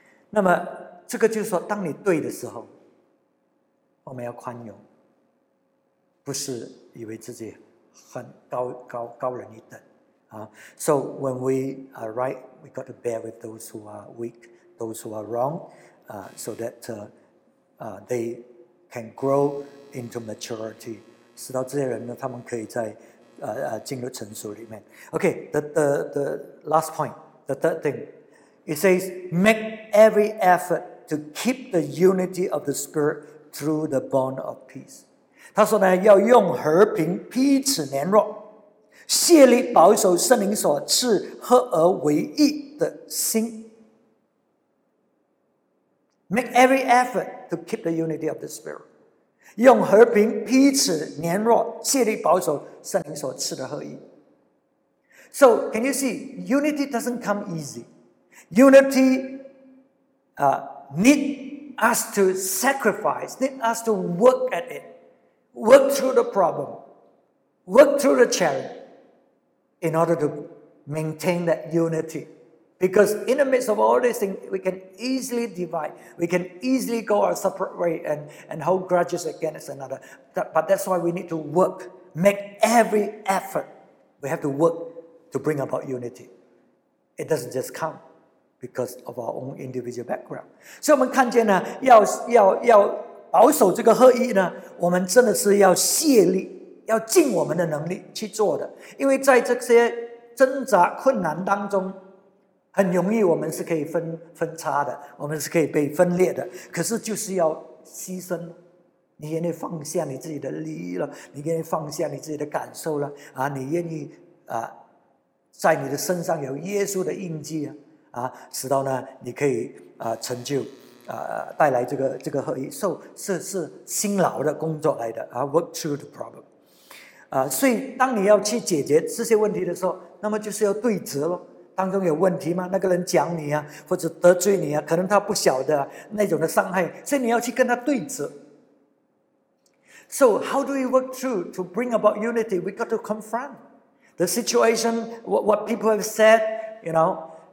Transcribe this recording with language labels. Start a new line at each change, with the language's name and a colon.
Chinese: 那么这个就是说，当你对的时候，我们要宽容，不是以为自己很高人一等，
English: So when we are right, we got to bear with those who are weak, those who are wrong, so that they can grow into maturity.
Chinese: 使到这些人呢，他们可以在进入成熟里面。
English: Okay, the last point, the third thing, it says, make every effort to keep the unity of the spirit through the bond of peace.
Chinese: 他说呢，要用和平彼此联络，竭力保守圣灵所赐合而为一的心。
English: Make every effort to keep the unity of the spirit.
Chinese: 用和平彼此联络，竭力保守圣灵所赐的合一。
English: So can you see, unity doesn't come easy. Unity need us to sacrifice, need us to work at it. Work through the problem, work through the challenge in order to maintain that unity. Because in the midst of all these things, we can easily divide. We can easily go our separate way and hold grudges against another. But that's why we need to work, make every effort. We have to work to bring about unity. It doesn't just come because of our own individual background. So we can see,
Chinese: 要保守这个合一呢，我们真的是要卸力，要尽我们的能力去做的。因为在这些挣扎困难当中，很容易我们是可以 分叉的，我们是可以被分裂的。可是就是要牺牲，你愿意放下你自己的利益了，你愿意放下你自己的感受了啊，你愿意啊，在你的身上有耶稣的印记啊，啊，使到呢，你可以啊成就啊，带来这个合一。 So, 是辛劳的工作来的啊 ，
English: work through the problem
Chinese: 啊。所以当你要去解决这些问题的时候，那么就是要对质咯。当中有问题吗？那个人讲你啊，或者得罪你啊，可能他不晓得那种的伤害，所以你要去跟他对质。
English: So how do we work through to bring about unity? We got to confront the situation, what people have said, you know.